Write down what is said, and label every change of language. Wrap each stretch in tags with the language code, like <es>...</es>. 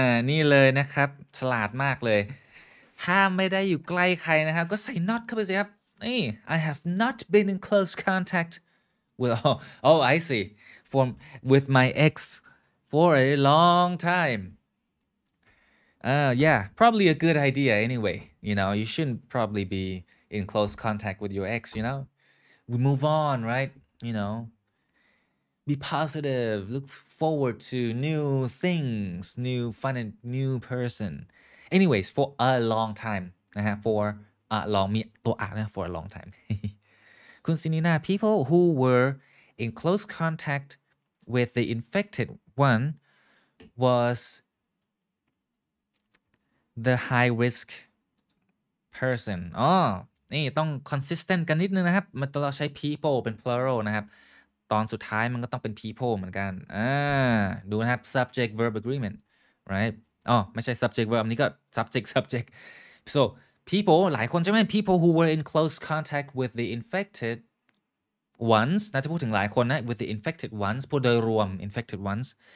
<th>นี่เลยนะครับฉลาดมากเลยถ้าไม่ได้อยู่ใกล้ใครนะครับก็ใส่ not เข้าไปสิครับนี่</th> <en>I have not been in close contact with... Oh, I see. With my ex for a long time. Yeah, probably a good idea anyway. You know, you shouldn't probably be in close contact with your ex, you know? We move on, right? You know? Be positive, look forward to new things, new fun and new person. Anyways, for a long time. For a long time. For a long time. Kunsinina, people who were in close contact with the infected one was the high risk person.</en> <th>Oh, นี่ต้อง consistent กันนิดนึงนะครับมันต้องใช้ people เป็น plural นะครับตอนสุดท้ายมันก็ต้องเป็น people เหมือนกันดูนะครับ</th> <en>subject verb agreement right</en> <th>อ๋อไม่ใช่ subject verb อันนี้ก็ subject so people หลายคนใช่ไหม</th> <en>people who were in close contact with the infected ones</en> <th>น่าจะพูดถึงหลายคนนะ</th> <en>with the infected ones</en> <th>พูดโดยรวม infected ones</th>